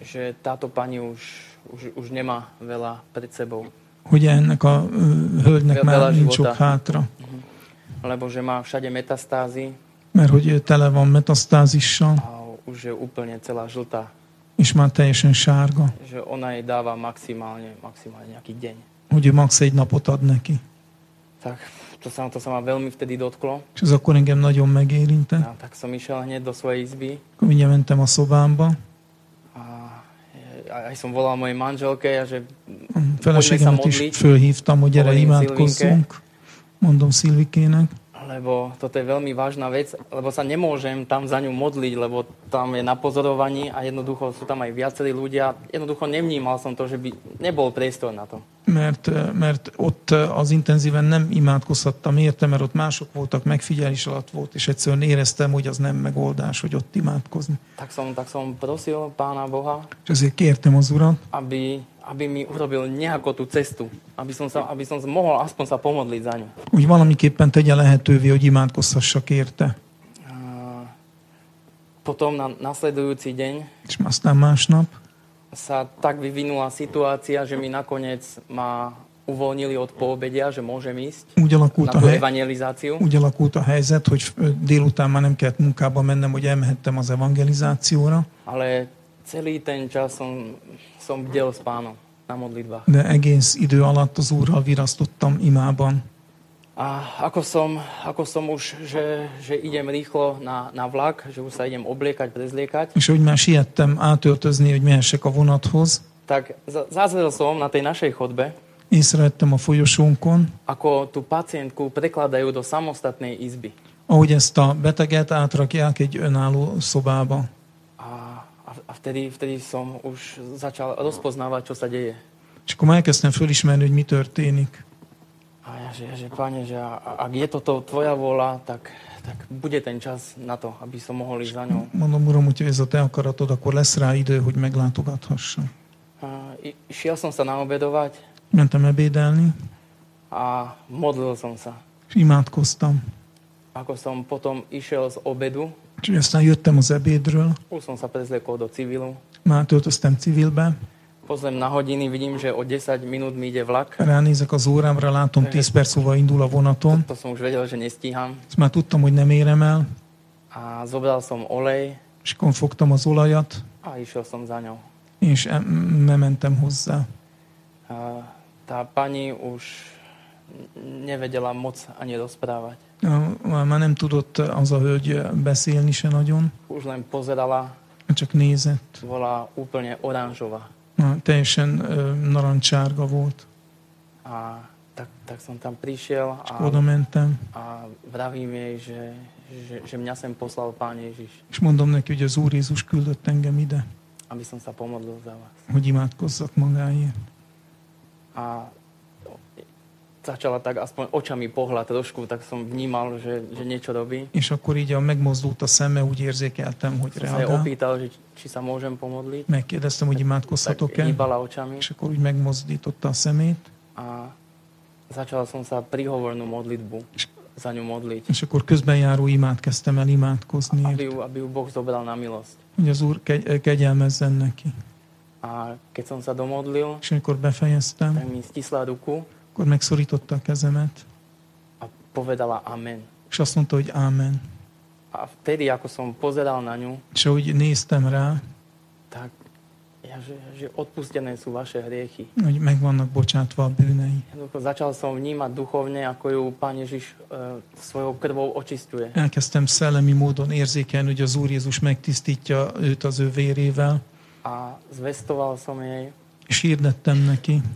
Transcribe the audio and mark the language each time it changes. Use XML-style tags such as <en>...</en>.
<sk>Že táto pani už nemá veľa pred sebou.</sk> <hu>Hogy ennek a hölgynek már nincs sok hátra.</hu> <sk>Lebo že má všade metastázy.</sk> <hu>Mert hogy tele van metastázissal.</hu> <sk>A už je úplne celá žltá.</sk> <hu>És már teljesen sárga.</hu> <sk>Že ona jej dáva maximálne nejaký deň.</sk> <hu>Hogy ő max. Egy napot ad neki.</hu> <sk>Tak, to sa ma veľmi vtedy dotklo.</sk> <hu>És ez akkor engem nagyon megérinte.</hu> <sk>A tak som išiel hneď do svojej izby.</sk> <hu>Akkor mindjárt mentem a szobámba.</hu> <sk>Aj som volal mojej manželke, že</sk> <hu>feleségemet is fölhívtam, hogy gyere, imádkozzunk. Mondom Szilvikének.</hu> <sk>Lebo toto je veľmi vážna vec, lebo sa nemôžem tam za ňu modliť, lebo tam je na pozorovaní a jednoducho sú tam aj viacerí ľudia. Jednoducho nevnímal som to, že by nebol priestor na to.</sk> <hu>Mert ott az intenzíven nem imádkozhattam érte, mert ott mások voltak, megfigyelés alatt volt, és egyszerűen éreztem, hogy az nem megoldás, hogy ott imádkozni.</hu> <sk>Tak som prosil Pána Boha.</sk> <hu>És ezért kértem az Urat.</hu> <sk>Aby mi urobil nejakú tú cestu. Aby som mohol aspoň sa pomodliť za ňu.</sk> <hu>Úgy valamiképpen tegye lehetővé, hogy imádkozhassak érte.</hu> <sk>Potom na nasledujúci deň.</sk> <hu>És aztán másnap.</hu> <sk>Sa tak vyvinula situácia, že mi nakoniec ma uvoľnili od poobedia, že môžem ísť na tú evangelizáciu.</sk> <hu>Úgy alakult a helyzet, hogy délután már nem kellett munkába mennem, hogy elmehettem az evangelizációra.</hu> <sk>Ale celý ten čas som bdel s Pánom na modlitbách.</sk> <hu>De egész idő alatt az Úrral virasztottam imában.</hu> <sk>A ako som už, že idem rýchlo na vlak, že už sa idem obliekať, prezliekať.</sk> <hu>És hogy már siettem átöltözni, hogy mehessek a vonathoz.</hu> <sk>Tak zazrel som na tej našej chodbe.</sk> <hu>Észrevettem a folyosónkon.</hu> <sk>Ako tú pacientku prekladajú do samostatnej izby.</sk> <hu>Ahogy ezt a beteget átrakják egy önálló szobába.</hu> <sk>A vtedy som už začal rozpoznávať, čo sa deje.</sk> <hu>És akkor már elkezdtem fölismerni, hogy mi történik.</hu> <sk>A ja, že Pane, že ak je toto Tvoja vola, tak bude ten čas na to, aby som mohol ísť za ňou.</sk> <hu>Mondom, Uram, hogy ez a Te akaratod, akkor lesz rá idő, hogy meglátogathassam.</hu> <sk>Šiel som sa naobedovať.</sk> <hu>Mentem ebédelni.</hu> <sk>A modlil som sa.</sk> <hu>És imádkoztam.</hu> <sk>Ako som potom išiel z obedu.</sk> <hu>Čiže aztán jöttem az ebédről.</hu> <sk>Už som sa prezliekol do civilu.</sk> <hu>Már töltöztem civilbe.</hu> <sk>Pozriem na hodiny, vidím, že o 10 minút mi ide vlak.</sk> <hu>Ránézek az órámra, látom 10 perc múlva indul a vonatom.</hu> <sk>To som už vedel, že nestíham.</sk> <hu>Már tudtam, hogy nem érem el.</hu> <sk>A zobral som olej.</sk> <hu>És akkor fogtam az olajat.</hu> <sk>A išiel som za ňou.</sk> <hu>És mementem hozzá.</hu> <sk>A tá pani už nevedela moc ani rozprávať.</sk> <hu>Már nem tudott az a hölgy beszélni se nagyon.</hu> <sk>Už len pozerala.</sk> <hu>Csak nézett.</hu> <sk>Volá úplne oranžová.</sk> <hu>Teljesen narancsárga volt.</hu> <sk>A tak som tam prišiel.</sk> <hu>Csak oda mentem.</hu> <sk>A vravím jej, že mňa sem poslal Pán Ježiš.</sk> <hu>És mondom neki, hogy az Úr Jézus küldött engem ide.</hu> <sk>Aby som sa pomodlil za vás.</sk> <hu>Hogy imádkozzak magáért.</hu> <sk>A začala tak aspoň očami pohľad trošku, tak som vnímal, že niečo robí.</sk> <hu>És akkor így a megmozdult a szeme, úgy érzékeltem, hogy reagál.</hu> <sk>Som sa opýtal, že či sa môžem pomodliť.</sk> <hu>Megkérdeztem, hogy imádkozhatok-e.</hu> <sk>Tak hýbala očami.</sk> <hu>És akkor úgy megmozdította a szemét.</hu> <sk>A začala som sa príhovornú modlitbu za ňu modliť.</sk> <hu>És akkor közbenjáró imád kezdtem el imádkozni.</hu> <sk>Aby ju Boh zobral na milosť.</sk> <hu>Hogy az Úr kegyelmezzen neki.</hu> <sk>A keď som sa domodlil,</sk> <hu>és amikor befejeztem,</hu> <sk>tak mi stisla ruku,</sk> <hu>akkor megszorította a kezemet.</hu> <sk>A povedala amen.</sk> <hu>És azt mondta, hogy amen.</hu> <sk>A vtedy, ako som pozeral na ňu,</sk> <hu>és ahogy néztem rá,</hu> <sk>tak, ja, že odpustené sú vaše hriechy.</sk> <hu>Hogy megvannak bocsátva a bűnei.</hu> <sk>Začal som vnímať duchovne, ako ju Pán Ježiš svojou krvou očistuje.</sk> <hu>Elkezdtem szellemi módon érzékelni, hogy az Úr Jézus megtisztítja őt az ő vérével.</hu> <sk>A zvestoval som jej.</sk> <hu>És hirdettem neki,</hu>